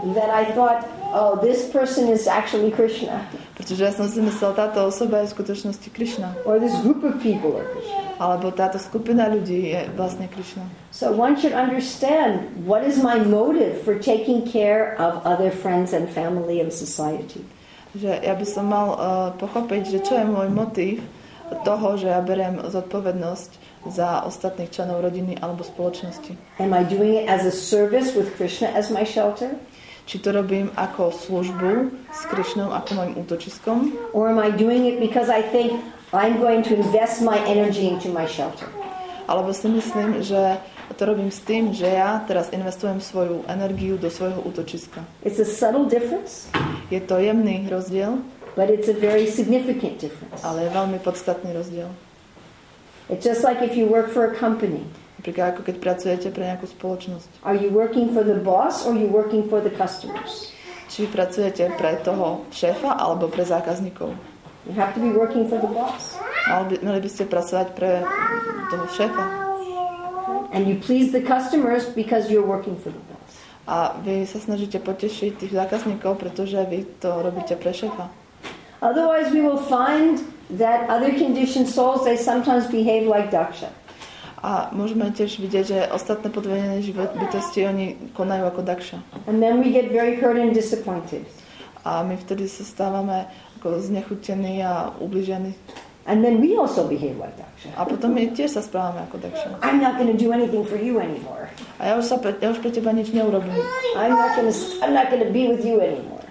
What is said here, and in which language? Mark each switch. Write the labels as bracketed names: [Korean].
[English] That I thought, oh, this person is actually Krishna. [Slovak] Pretože ja som si myslel, táto osoba je v skutočnosti Krishna. [English] Or this group of people are Krishna. [Slovak] Alebo táto skupina ľudí je vlastne Krishna. [English] So one should understand what is my motive for taking care of other friends and family and society. [Slovak] Že ja by som mal pochopiť, že čo je môj motív toho, že ja beriem zodpovednosť za ostatných členov rodiny alebo spoločnosti. [English] Am I doing it as a service with Krishna as my shelter? [Slovak] Či to robím ako službu s Krishnou ako mojim útočiskom? [English] Or am I doing it because I think I'm going to invest my energy into my shelter? [Slovak] Alebo si myslím, že to robím s tým, že ja teraz investujem svoju energiu do svojho útočiska. [English] It's a subtle difference. [Slovak] Je to jemný rozdiel. [English] But it's a very significant difference. [Slovak] Ale je veľmi podstatný rozdiel. [English] It's just like if you work for a company. [Slovak] Napríklad ako keď pracujete pre nejakú spoločnosť. [English] Are you working for the boss or are you working for the customers? [Slovak] Či pracujete pre toho šéfa alebo pre zákazníkov? [English] You have to be working for the boss. [Slovak] Mali by ste pracovať pre toho šéfa. [English] And you please the customers because you're working for the boss. [Slovak] A vy sa snažíte potešiť tých zákazníkov, pretože vy to robíte pre šéfa. [English] Otherwise we will find that other conditioned souls, they sometimes behave like daksha. [Slovak] A môžeme tiež vidieť, že ostatné podvedené bytosti, oni konajú ako daksha. [English] And then we get very hurt and disappointed. [Slovak] A my vtedy sa stávame ako znechutení a ublížení. [English] And then we also behave like daksha. [Slovak] A potom my tiež sa správame ako daksha. [English] I'm not going to do anything for you anymore. [Slovak] A ja už pre teba nič neurobím. [English] I'm not going to be with you anymore.